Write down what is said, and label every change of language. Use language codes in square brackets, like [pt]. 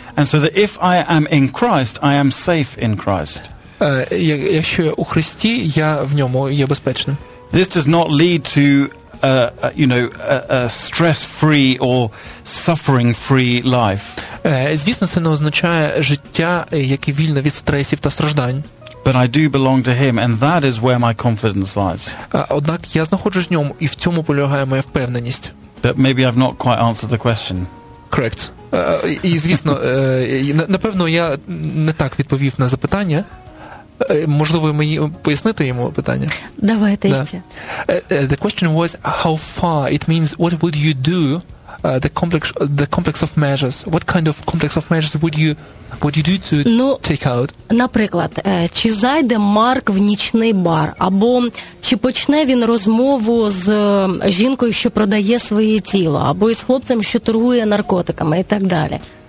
[en] And so that if I am in Christ, I am safe in Christ. [uk] Якщо я у Христі, я в ньому є безпечним. [en] This does not lead to a stress-free or suffering-free life. [uk] Звісно, це не означає життя, яке вільне від стресів та страждань. [en] But I do belong to him, and that is where my confidence lies. [uk] Однак я знаходжусь в ньому, і в цьому полягає моя впевненість. [en] But maybe I've not quite answered the question. Correct. [uk] І звісно, напевно, я не так відповів на запитання. Можливо, мені пояснити йому питання? Давайте ще. [en] The question was how far. It means what would you do? The complex of measures. What kind of complex of measures would you do to take out? [uk] Наприклад, чи зайде Марк в нічний бар, або чи почне він розмову з жінкою, що продає своє тіло, або із хлопцем, що торгує наркотиками і так далі.